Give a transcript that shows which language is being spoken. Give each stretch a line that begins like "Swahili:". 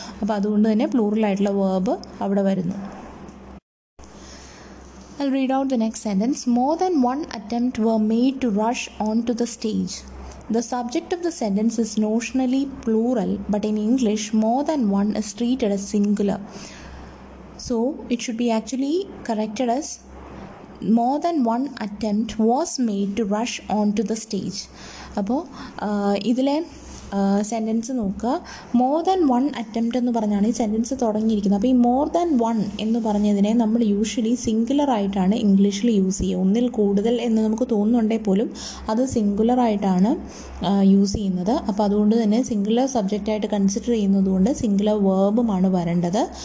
Malayalam: അപ്പോൾ അതുകൊണ്ട് തന്നെ പ്ലൂറലായിട്ടുള്ള വേർബ് അവിടെ വരുന്നു.
English: I read out the next sentence. More than one attempt were made to rush onto the stage. The subject of the sentence is notionally plural, but in English, more than one is treated as singular. So, it should be actually corrected as, more than one attempt was made to rush onto the stage.
Malayalam: Appo, idile sentence നോക്കുക.
English: more than one attempt
Malayalam: എന്ന് പറഞ്ഞാണ് ഈ sentence തുടങ്ങിയിരിക്കുന്നത്. അപ്പോൾ ഈ more than one എന്ന് പറഞ്ഞതിനെ നമ്മൾ യൂഷ്വലി സിംഗുലറായിട്ടാണ് ഇംഗ്ലീഷിൽ യൂസ് ചെയ്യുക. ഒന്നിൽ കൂടുതൽ എന്ന് നമുക്ക് തോന്നുന്നുണ്ടെങ്കിൽ പോലും അത് സിംഗുലറായിട്ടാണ് യൂസ് ചെയ്യുന്നത്. അപ്പോൾ അതുകൊണ്ട് തന്നെ സിംഗുലർ സബ്ജക്റ്റായിട്ട് കൺസിഡർ ചെയ്യുന്നതുകൊണ്ട് സിംഗുലർ വേർബുമാണ് വരേണ്ടത്.